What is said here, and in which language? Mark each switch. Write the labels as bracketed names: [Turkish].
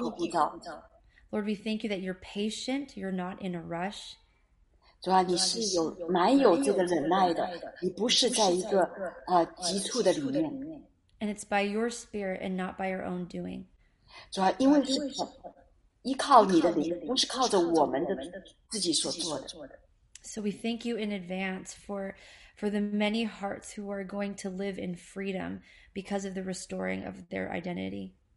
[English] Lord, we thank you that you're patient, you're not in a rush. [Chinese] 主啊,你是有蛮有这个忍耐的,你不是在一个急促的里面。 [English] And it's by your spirit and not by your own doing. [Chinese] 主啊,因为是依靠你的灵,不是靠着我们的自己所做的。 [English] So we thank you in advance for the many hearts who are going to live in freedom because of the restoring of their identity.